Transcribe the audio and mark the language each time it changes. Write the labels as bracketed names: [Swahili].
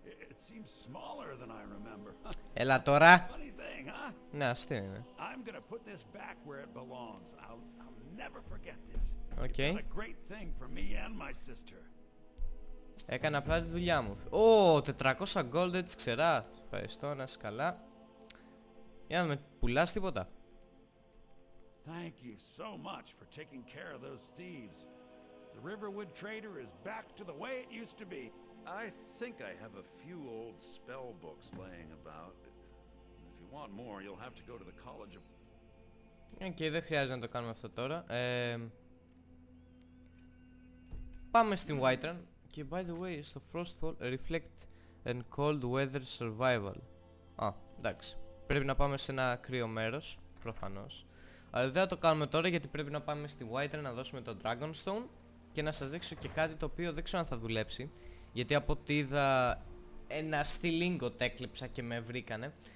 [English] It seems smaller than I remember. [Greek] Έλα τώρα. [English] Funny thing, huh? [Greek] Ναι, αστεί είναι. [English] I'm gonna put this back where it belongs. I'll never forget this. Okay. It's a great thing for me and my sister. [Greek] Έκανα απλά τη δουλειά μου. Ω, 400 gold, έτσι ξερά. Ευχαριστώ, να είσαι καλά. Για να με πουλάς τίποτα. [English] Thank you so much for taking care of those thieves. The Riverwood Trader is back to the way it used to be. I think I have a few old spell books laying about. If you want more, you'll have to go to the College of... [Greek] Okay, δεν χρειάζεται να το κάνουμε αυτό τώρα. Πάμε στην Whiterun. Και [English] by the way, [Greek] στο Frostfall, Reflect and Cold Weather Survival. Α, εντάξει. Πρέπει να πάμε σε ένα κρύο μέρος, προφανώς. Αλλά δεν θα το κάνουμε τώρα γιατί πρέπει να πάμε στη Whiterun να δώσουμε το Dragonstone και να σας δείξω και κάτι το οποίο δεν ξέρω αν θα δουλέψει. Γιατί από ό,τι είδα ένα στυλίγκο τέκλεψα και με βρήκανε.